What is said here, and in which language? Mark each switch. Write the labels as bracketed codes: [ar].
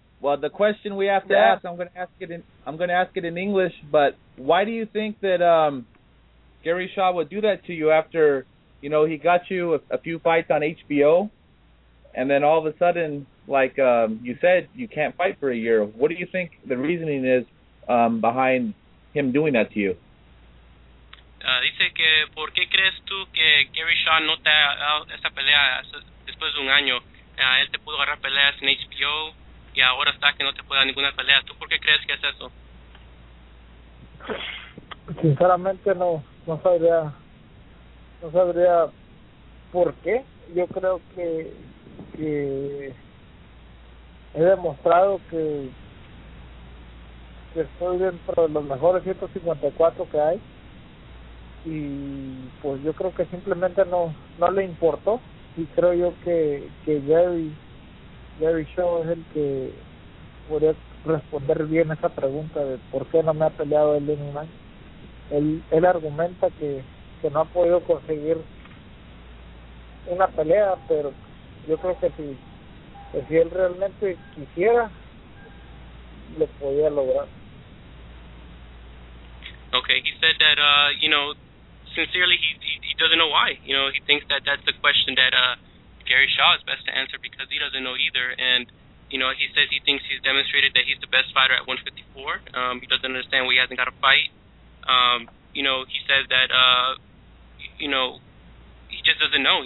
[en] Well, the question we have to ask, I'm going to ask it in English, but why do you think that Gary Shaw would do that to you after, you know, he got you a few fights on HBO, and then all of a sudden, like you said, you can't fight for a year? What do you think the reasoning is behind him doing that to you? [es] Dice que, ¿por qué crees tú que Gary Shaw no te ha dado esa pelea después de un año? Él te pudo agarrar peleas en HBO y ahora está que no te puede dar ninguna pelea. ¿Tú por qué crees que es eso? Sinceramente no sabría por qué. Yo creo que he demostrado que estoy dentro de los mejores 154 que hay, y pues yo creo que simplemente no le importó y creo yo que Gary Shaw es el que podría responder bien esa pregunta de por qué no me ha peleado el Lenny Man. Él argumenta que no ha podido conseguir una pelea, pero yo creo que si él realmente quisiera, lo podía lograr. [en] Okay, he said that, you know, sincerely, he doesn't know why. You know, he thinks that that's the question that Gary Shaw is best to answer because he doesn't know either. And, you know, he says he thinks he's demonstrated that he's the best fighter at 154. He doesn't understand why he hasn't got a fight. You know, he says that, you know, he just doesn't know.